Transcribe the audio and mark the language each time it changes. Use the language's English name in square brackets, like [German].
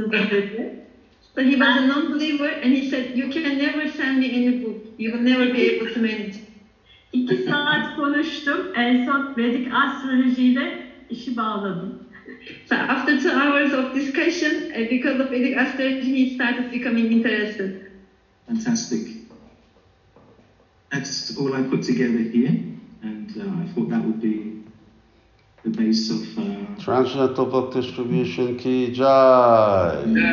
[English] But he was a non-believer and he said, you can never send me any book. You will never be able to manage. [Turkish] 2 saat konuştum. En son Vedic astrolojiyle işi bağladım. [English] So after 2 hours of discussion, because of Vedic astrology, he started becoming interested. Fantastic. That's all I put together here, and I thought that would be the base of Transcendental Book Distribution Key Jai.